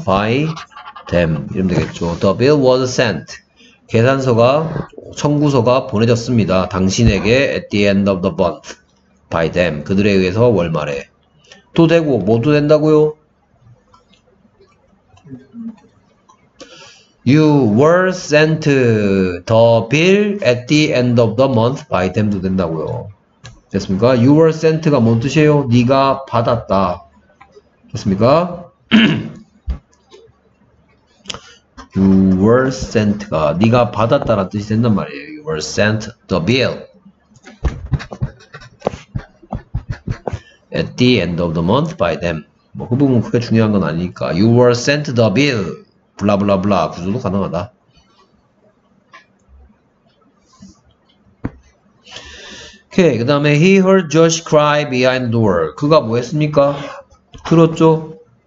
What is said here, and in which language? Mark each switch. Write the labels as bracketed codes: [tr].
[en] 바이 댐 [ko] 이러면 되겠죠. [en] 더빌 워즈 센트 [ko] 계산서가 청구서가 보내졌습니다. 당신에게 [en] 에티 엔드 오브 더 먼스 바이 댐 [ko] 그들에 의해서 월말에 또 되고 뭐도 된다고요? [en] You were sent the bill at the end of the month by them [ko] 도 된다고요. 됐습니까? [en] You were sent [ko] 가 뭔 뜻이에요? 네가 받았다. 됐습니까? [en] You were sent [ko] 가 네가 받았다라는 뜻이 된단 말이에요. [en] You were sent the bill. At the end of the month by them. [ko] 뭐, 그 부분 크게 중요한 건 아니니까. [en] You were sent the bill. [ko] 블라블라블라. 구조도 가능하다. 오케이. 그 다음에, [en] he heard Josh cry behind the door. [ko] 그가 뭐 했습니까? 들었죠?